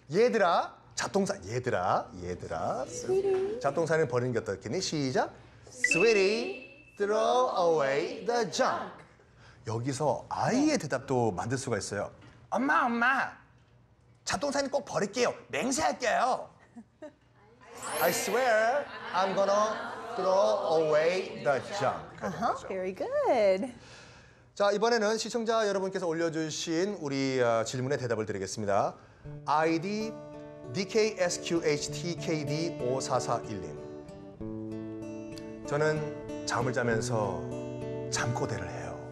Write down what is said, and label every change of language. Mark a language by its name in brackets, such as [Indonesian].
[Korean] 얘들아, 잡동사, 얘들아, 얘들아. [English] Sweetie. [Korean] 잡동사니는 버리는 게 어떻겠니? [English] 시작. Sweetie, throw away the junk. [Korean] 여기서 아이의 대답도 만들 수가 있어요. 엄마, 엄마. 잡동사니는 꼭 버릴게요. 맹세할게요. [English] I swear I'm gonna throw away the junk. Uh-huh, very good. [Korean] 자, 이번에는 시청자 여러분께서 올려주신 우리 질문에 대답을 드리겠습니다. ID DKSQHTKD5441님. 저는 잠을 자면서 잠꼬대를 해요.